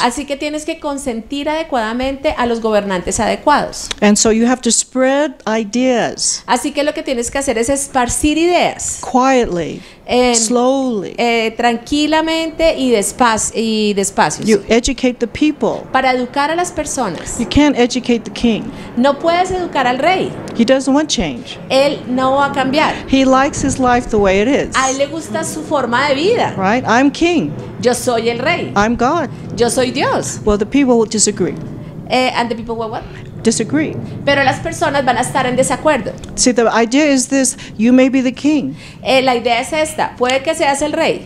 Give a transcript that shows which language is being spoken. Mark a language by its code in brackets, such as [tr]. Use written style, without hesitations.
[es] Así que tienes que consentir adecuadamente a los gobernantes adecuados. [en] And so you have to spread ideas. [es] Así que lo que tienes que hacer es esparcir ideas. [en] Quietly. Slowly. [es] Tranquilamente y despacio. [en] You educate the people. [es] Para educar a las personas. [en] You can't educate the king. [es] No puedes educar al rey. [en] He doesn't want change. [es] Él no va a cambiar. [en] He likes his life the way it is. [es] A él le gusta su forma de vida. [en] Right? I'm king. [es] Yo soy el rey. [en] I'm God. [es] Yo soy Dios. [en] Well, the people will disagree. And the people will what? Disagree. [es] Pero las personas van a estar en desacuerdo. [en] See, the idea is this: you may be the king. [es] La idea es esta: puede que seas el rey.